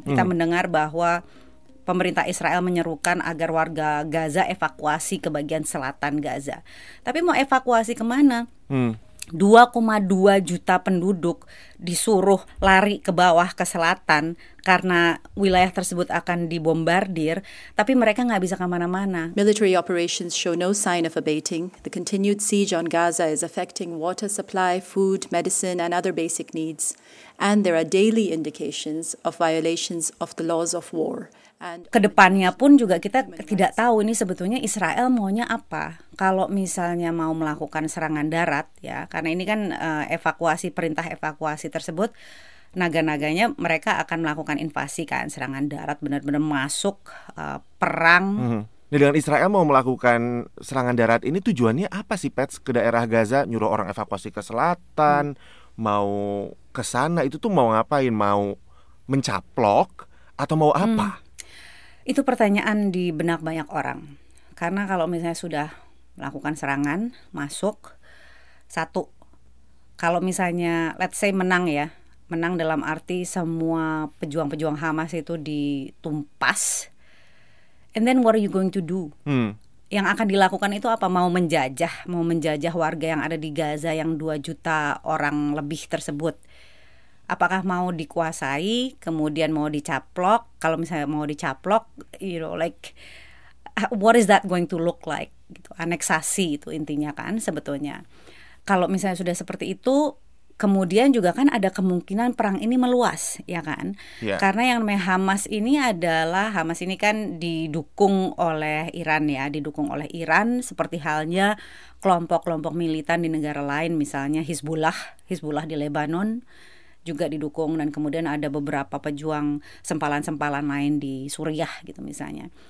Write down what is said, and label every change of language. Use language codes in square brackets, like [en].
[id] Kita mendengar bahwa pemerintah Israel menyerukan agar warga Gaza evakuasi ke bagian selatan Gaza. Tapi mau evakuasi kemana? 2,2 juta penduduk disuruh lari ke bawah ke selatan karena wilayah tersebut akan dibombardir, tapi mereka nggak bisa kemana-mana. [en] Military operations show no sign of abating. The continued siege on Gaza is affecting water supply, food, medicine, and other basic needs. And there are daily indications of violations of the laws of war. [id] Kedepannya pun juga kita tidak tahu ini sebetulnya Israel maunya apa. Kalau misalnya mau melakukan serangan darat, ya, karena ini kan evakuasi, perintah evakuasi tersebut, naga-naganya mereka akan melakukan invasi kan, serangan darat, benar-benar masuk perang. Nah, dengan Israel mau melakukan serangan darat ini tujuannya apa sih, Pets, ke daerah Gaza, nyuruh orang evakuasi ke selatan, mau ke sana, itu tuh mau ngapain, mau mencaplok atau mau apa? Itu pertanyaan di benak banyak orang. Karena kalau misalnya sudah melakukan serangan, masuk, satu, kalau misalnya [en] let's say [id] menang ya, menang dalam arti semua pejuang-pejuang Hamas itu ditumpas, [en] and then what are you going to do? [id] Yang akan dilakukan itu apa? Mau menjajah warga yang ada di Gaza yang 2 juta orang lebih tersebut. Apakah mau dikuasai, kemudian mau dicaplok? Kalau misalnya mau dicaplok, [en] you know, like what is that going to look like? [id] Gitu, aneksasi itu intinya kan sebetulnya. Kalau misalnya sudah seperti itu, kemudian juga kan ada kemungkinan perang ini meluas, ya kan? [en] Yeah. [id] Karena yang namanya Hamas ini adalah, Hamas ini kan didukung oleh Iran ya, didukung oleh Iran seperti halnya kelompok-kelompok militan di negara lain, misalnya Hizbullah, Hizbullah di Lebanon juga didukung, dan kemudian ada beberapa pejuang sempalan-sempalan lain di Suriah gitu misalnya.